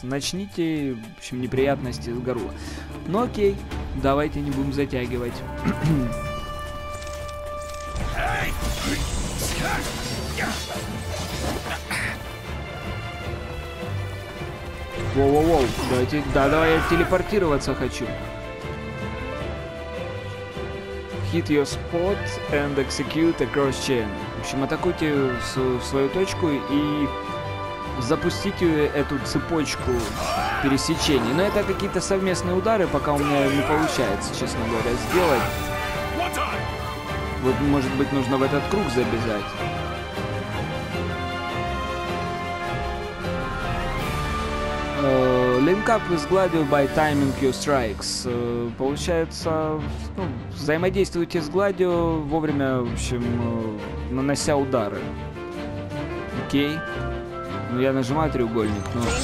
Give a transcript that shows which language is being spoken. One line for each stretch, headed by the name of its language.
Russian: Начните, в общем, неприятности с Гарула. Ну окей, давайте не будем затягивать. Воу-воу-воу, давайте, да, давай я телепортироваться хочу.
English: Hit your spot and execute a cross chain.
Russian: В общем, атакуйте свою точку и запустите эту цепочку пересечений. Но это какие-то совместные удары, пока у меня не получается, честно говоря, сделать. Вот, может быть, нужно в этот круг забежать.
English: Link up is gladio by timing your strikes.
Russian: Получается, ну, взаимодействуйте с гладио вовремя, в общем, нанося удары. Окей. Ну, я нажимаю треугольник, но...